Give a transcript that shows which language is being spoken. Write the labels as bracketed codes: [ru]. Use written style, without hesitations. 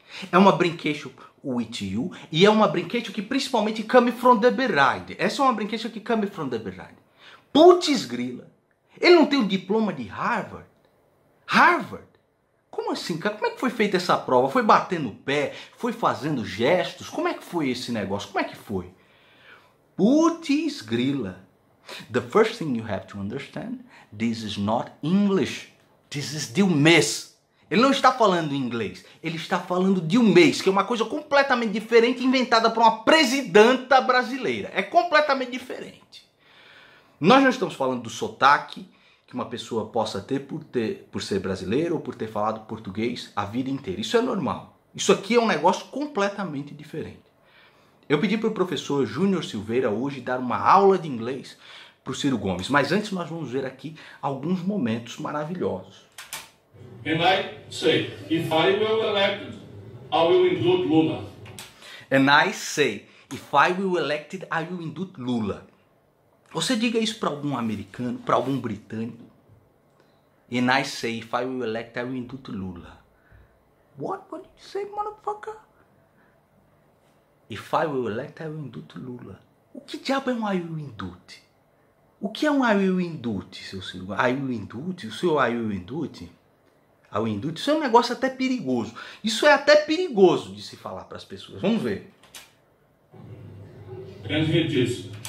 [pt] É uma brinquete [en] with you. [pt] E é uma brinquete que principalmente [en] come from the behind. [pt] Essa é uma brinquete que [en] come from the behind. [pt] Putz grila. Ele não tem o diploma de Harvard? Harvard? Como assim, cara? Como é que foi feita essa prova? Foi batendo o pé? Foi fazendo gestos? Como é que foi esse negócio? Como é que foi? Putz grila. [en] The first thing you have to understand, this is not English. This is the mess. [pt] Ele não está falando inglês. Ele está falando de um mês, que é uma coisa completamente diferente, inventada por uma presidenta brasileira. É completamente diferente. Nós não estamos falando do sotaque que uma pessoa possa ter, por ser brasileiro ou por ter falado português a vida inteira. Isso é normal. Isso aqui é um negócio completamente diferente. Eu pedi para o professor Júnior Silveira hoje dar uma aula de inglês para o Ciro Gomes. Mas antes nós vamos ver aqui alguns momentos maravilhosos. [en] And I say, if I will elected, I will include Lula. And I say, if I will elected, I will include Lula. [pt] Você diga isso para algum americano, para algum britânico. [en] And I say, if I will elected, I will include Lula. What would you say, motherfucker? If I will elected, I will include Lula. [pt] O que diabo é um [en] I will include? [pt] O que é um I will include, seu Ciro? I will include? O seu [en] I will include? [pt] Ao indústria, isso é um negócio até perigoso. Isso é até perigoso de se falar para as pessoas. Vamos ver. [en] And he diz.